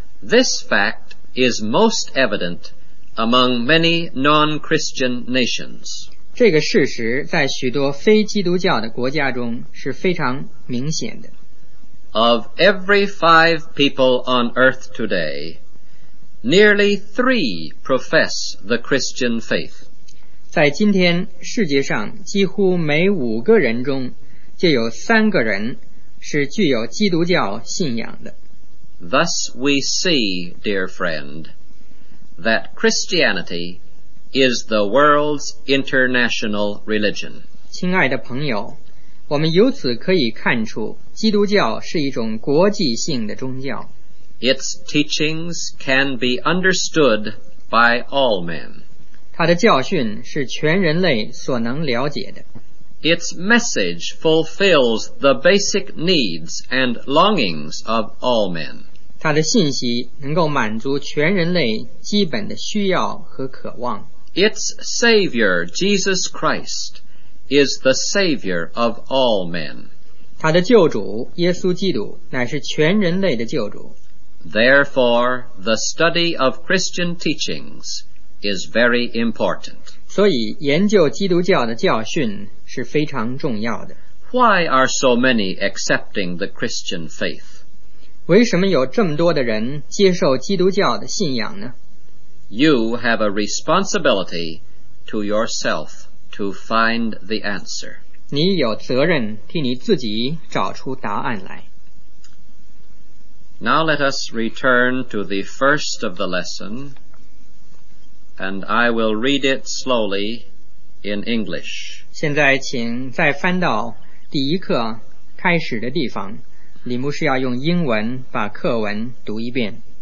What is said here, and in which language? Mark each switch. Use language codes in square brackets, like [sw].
[en] This fact is most evident among many non-Christian nations. [zh] 这个事实在许多非基督教的国家中是非常明显的。 [en] Of every 5 people on earth today, nearly 3 profess the Christian faith. [zh] 在今天世界上几乎每五个人中就有三个人是具有基督教信仰的。 [en] Thus we see, dear friend, that Christianity is the world's international religion. [zh] 亲爱的朋友，我们由此可以看出，基督教是一种国际性的宗教。 [en] Its teachings can be understood by all men. [zh] 它的教训是全人类所能了解的。 [en] Its message fulfills the basic needs and longings of all men. [zh] 它的信息能够满足全人类基本的需要和渴望。 [en] Its Savior, Jesus Christ, is the Savior of all men. [zh] 它的救主耶稣基督乃是全人类的救主。 [en] Therefore, the study of Christian teachings is very important. [zh] 所以研究基督教的教训是非常重要的。 [en] Why are so many accepting the Christian faith? [zh] 为什么有这么多的人接受基督教的信仰呢？ [en] You have a responsibility to yourself to find the answer. [zh] 你有责任替你自己找出答案来。 [en] Now let us return to the first of the lesson, and I will read it slowly in English. [zh] 现在请再翻到第一课开始的地方，李牧师要用英文把课文读一遍。